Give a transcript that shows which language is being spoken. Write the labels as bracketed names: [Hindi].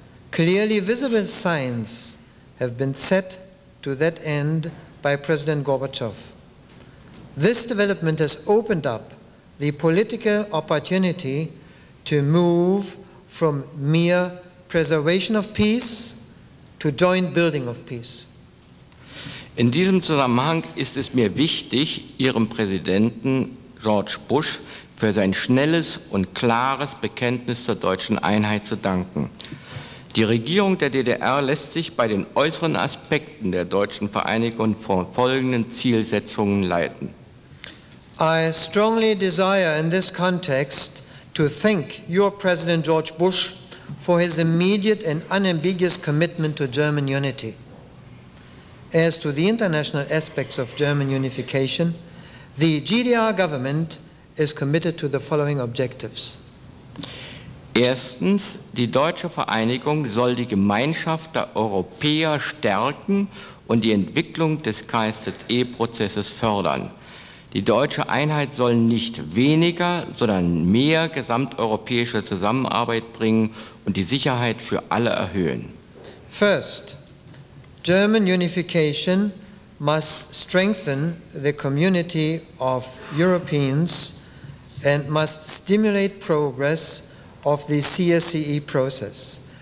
[English] Clearly visible signs have been set to that end by President Gorbachev. This development has opened up the political opportunity to move from mere preservation of peace to joint building of peace. [German] In diesem Zusammenhang ist es mir wichtig, Ihrem Präsidenten George Bush für sein schnelles und klares Bekenntnis zur deutschen Einheit zu danken. Die Regierung der DDR lässt sich bei den äußeren Aspekten der deutschen Vereinigung von folgenden Zielsetzungen leiten. [English] I strongly desire in this context to thank your President George Bush for his immediate and unambiguous commitment to German unity. As to the international aspects of German unification, the GDR government is committed to the following objectives. [German] Erstens, die deutsche Vereinigung soll die Gemeinschaft der Europäer stärken und die Entwicklung des KSZE-Prozesses fördern. Die deutsche Einheit soll nicht weniger, sondern mehr gesamteuropäische Zusammenarbeit bringen und die Sicherheit für alle erhöhen. [English] First, German unification must strengthen the community of Europeans and must stimulate progress of the CSCE process.